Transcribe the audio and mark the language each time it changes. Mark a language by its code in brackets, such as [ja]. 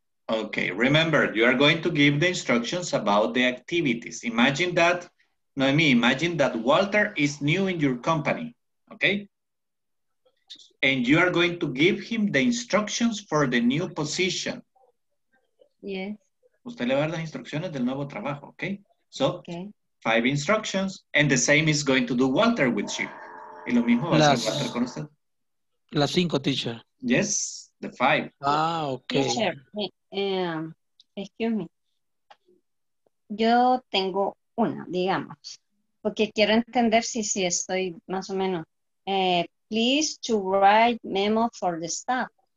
[en] Okay, remember, you are going to give the instructions about the activities. Imagine that, Noemi, imagine that Walter is new in your company, okay? And you are going to give him the instructions for the new position. Yes. [es] Usted le va a dar las instrucciones del nuevo trabajo, okay? [en] So, okay. Five instructions, and the same is going to do Walter with you. [es] Y lo mismo va a hacer Walter con usted. Las cinco, teacher. [en] Yes, the five. Ah, okay. Teacher, excuse me. [es] Yo tengo una, digamos. Porque quiero entender si estoy más o menos. [en] Please to write memo for the staff.